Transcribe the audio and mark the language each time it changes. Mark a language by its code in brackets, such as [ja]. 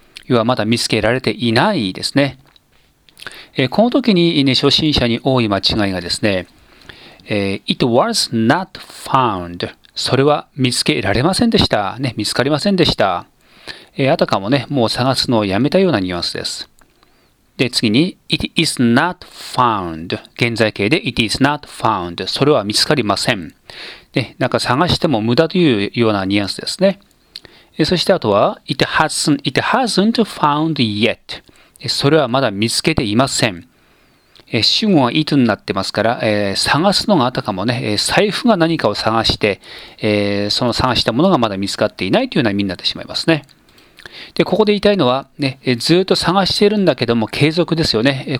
[ja] 要は、まだ見つけられていないですね。この時に、ね、初心者に多い間違いがですね、 [en] It was not found. [ja] それは見つけられませんでした。ね、見つかりませんでした。あたかもね、もう探すのをやめたようなニュアンスです。で、次に、 [en] It is not found. [ja] 現在形で、It is not found. それは見つかりません。ね、なんか探しても無駄というようなニュアンスですね。そしてあとは、 [en] It hasn't found yet. [ja] それはまだ見つけていません。主語は it になってますから、探すのがあたかもね、財布が何かを探して、その探したものがまだ見つかっていないというような意味になってしまいますね。で、ここで言いたいのは、ね、ずっと探しているんだけども継続ですよね。